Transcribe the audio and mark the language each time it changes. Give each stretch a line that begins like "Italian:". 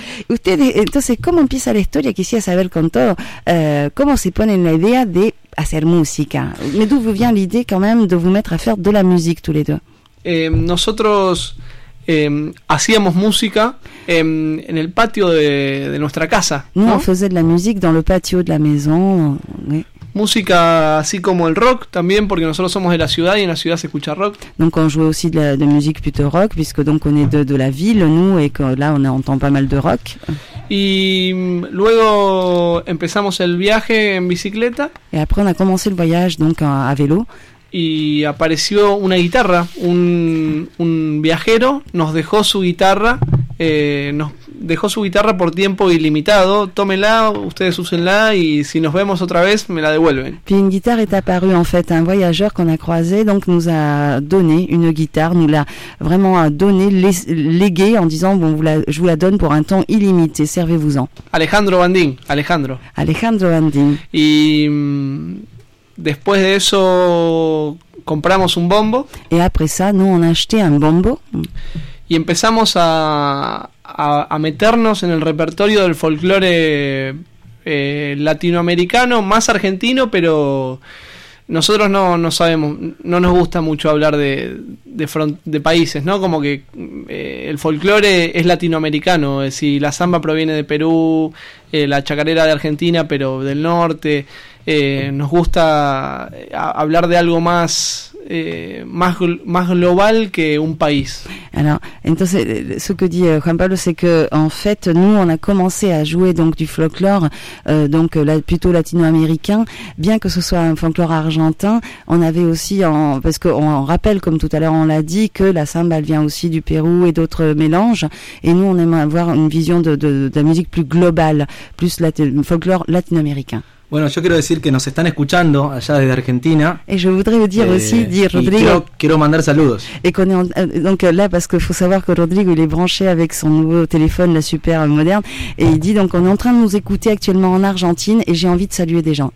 Spanish: Ustedes, entonces, ¿cómo empieza la historia? Quisiera saber con todo, ¿cómo se pone la idea de hacer música?
French: Mais d'où vous vient l'idée quand même de vous mettre à faire de la musique tous les deux?
Spanish: Nosotros hacíamos música en el patio de nuestra casa.
French: Nous, on faisait de la musique dans le patio de la maison, oui.
Spanish: Música así como el rock también, porque nosotros somos de la ciudad y en la ciudad se escucha rock.
French: Donc on jouait aussi de musique plutôt rock, puisque donc on est de la ville, nous, et que là on entend pas mal de rock.
Spanish: Y luego empezamos el viaje en bicicleta.
French: Et après on a commencé le voyage donc à vélo.
Spanish: Y apareció una guitarra, un viajero nos dejó su guitarra, nos dejó su guitarra por tiempo ilimitado, tómela, ustedes úsenla y si nos vemos otra vez me la devuelven.
French: Puis une guitare est apparue en fait, un voyageur qu'on a croisé donc nous a donné une guitare, nous l'a vraiment donné, légué en disant bon, je vous la donne pour un temps illimité, servez-vous-en. Alejandro Bandín, Alejandro. Alejandro Bandín.
Spanish: Y después de eso compramos un bombo.
French: Et après ça, nous on a acheté un bombo.
Spanish: Y empezamos a meternos en el repertorio del folclore latinoamericano, más argentino, pero nosotros no sabemos, no nos gusta mucho hablar de países, ¿no? Como que el folclore es latinoamericano, si la samba proviene de Perú, la chacarera de Argentina, pero del norte, nos gusta hablar de algo más... más global que un país.
French: Alors,
Spanish: entonces,
French: ce que dit Juan Pablo, c'est que en fait, nous, on a commencé à jouer donc du folklore, donc là, plutôt latino-américain, bien que ce soit un folklore argentin. On avait aussi, parce qu'on rappelle, comme tout à l'heure, on l'a dit, que la samba elle vient aussi du Pérou et d'autres mélanges. Et nous, on aime avoir une vision de la musique plus globale, plus folklore latino-américain.
Spanish: Bueno, yo quiero decir que nos están escuchando allá desde Argentina.
French: Et je voudrais dire aussi, dire Rodrigo.
Spanish: Quiero mandar saludos.
French: Et qu'on est donc là, parce qu'il faut savoir que Rodrigo, il est branché avec son nouveau téléphone, la super moderne, et il dit donc on est en train de nous écouter actuellement en Argentine, et j'ai envie de saluer des gens.